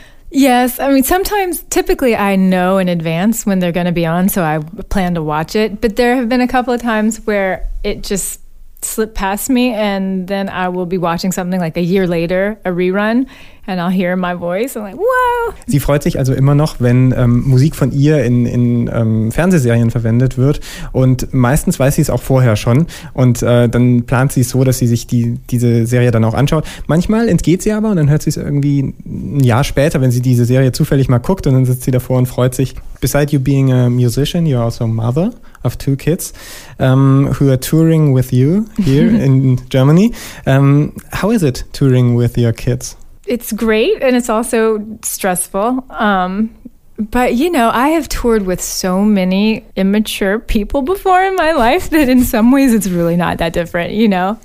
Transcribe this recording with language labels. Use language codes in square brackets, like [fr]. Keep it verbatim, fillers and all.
[en] Yes. I mean, sometimes, typically I know in advance when they're going to be on, so I plan to watch it. But there have been a couple of times where it just slipped past me, and then I will be watching something like a year later, a rerun, and I'll hear my voice. I'm like, wow. [de] Sie freut sich also immer noch, wenn ähm, Musik von ihr in, in ähm, Fernsehserien verwendet wird. Und meistens weiß sie es auch vorher schon. Und äh, dann plant sie es so, dass sie sich die, diese Serie dann auch anschaut. Manchmal entgeht sie aber und dann hört sie es irgendwie ein Jahr später, wenn sie diese Serie zufällig mal guckt, und dann sitzt sie davor und freut sich. [en] Beside you being a musician, you're also a mother of two kids um, who are touring with you here in Germany. Um, how is it touring with your kids? It's great, and it's also stressful. Um, but, you know, I have toured with so many immature people before in my life that in some ways it's really not that different, you know?